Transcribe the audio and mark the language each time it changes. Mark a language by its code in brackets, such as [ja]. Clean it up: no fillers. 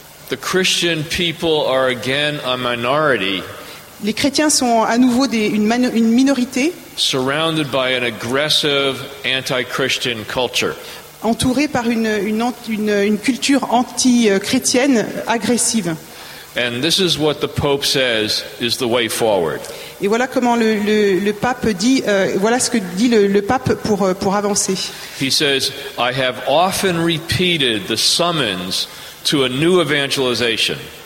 [en] The Christian people are again a minority. [fr] Les chrétiens sont à nouveau une minorité. [en] Surrounded by an aggressive anti-Christian culture. [fr] Entouré par une culture anti-chrétienne agressive. [en] And this is what the Pope says is the way forward. [fr] Et voilà comment le pape dit voilà ce que dit le pape pour avancer. [en] He says, I have often repeated the summons to a new evangelization.